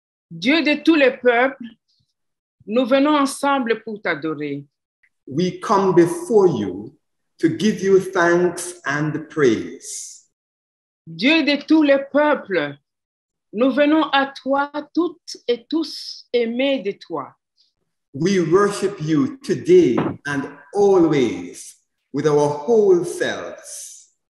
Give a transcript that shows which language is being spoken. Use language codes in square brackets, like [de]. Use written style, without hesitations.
[fr] Dieu de tous les peuples, nous venons ensemble pour t'adorer. [en] We come before you to give you thanks and praise. [fr] Dieu de tous les peuples, nous venons à toi toutes et tous aimés de toi. [en] We worship you today and always with our whole selves.